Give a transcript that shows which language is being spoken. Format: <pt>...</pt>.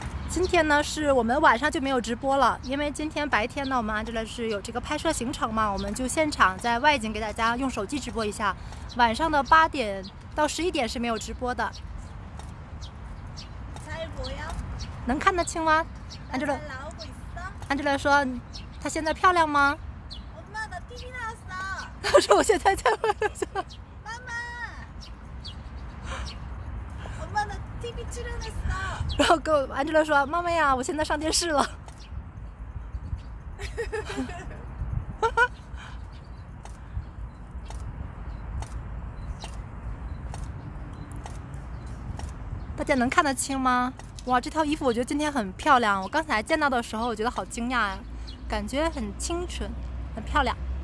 <zh>今天呢，是我们晚上就没有直播了，因为今天白天呢，我们Angel是有这个拍摄行程嘛，我们就现场在外景给大家用手机直播一下。晚上的8点到11点是没有直播的。</zh> <ko>잘보여？</ko> <zh>能看得清吗，Angel？ 安吉拉说：“她现在漂亮吗？”“</zh> <ko>엄마나 TV 나왔어。”</ko> <zh>她说：“我现在在外</zh> <ko>面。”</ko> <zh>“妈妈，</zh> <ko>엄마나 TV 출연했어。”</ko> <zh>然后跟安吉拉说：“妈妈呀，我现在上电视了。” 大家能看得清吗？哇，这套衣服我觉得今天很漂亮，我刚才见到的时候我觉得好惊讶呀，感觉很清纯很漂亮。</zh>